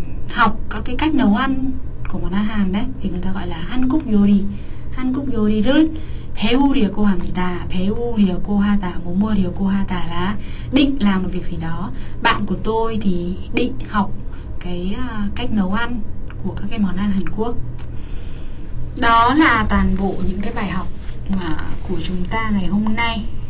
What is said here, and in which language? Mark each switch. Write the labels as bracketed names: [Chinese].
[Vietnamese] Học các cái cách nấu ăn của món ăn Hàn đấy thì người ta gọi là 한국 요리. [Korean] 한국 요리를 배우려고 합니다. 배우려고 하다, 배우려고 하다 [Vietnamese] là định làm một việc gì đó. Bạn của tôi thì định học cái cách nấu ăn của các cái món ăn Hàn Quốc. Đó là toàn bộ những cái bài học của chúng ta ngày hôm nay.